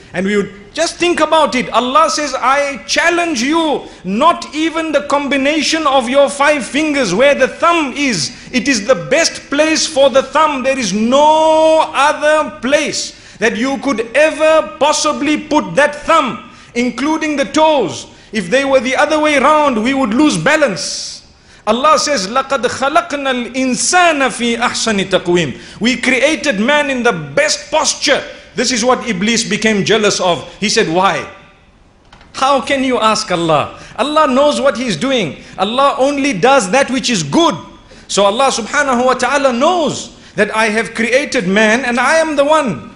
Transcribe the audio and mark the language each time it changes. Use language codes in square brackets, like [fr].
[en] And we would just think about it. Allah says, I challenge you, not even the combination of your five fingers where the thumb is. It is the best place for the thumb. There is no other place that you could ever possibly put that thumb, including the toes. If they were the other way around, we would lose balance. Allah says, [ar] لَقَدْ خَلَقْنَا الْإِنسَانَ فِي أَحْسَنِ تَقْوِيمٍ. [en] We created man in the best posture. This is what Iblis became jealous of. He said, why? How can you ask Allah? Allah knows what He is doing. Allah only does that which is good. So Allah subhanahu wa ta'ala knows that I have created man and I am the one.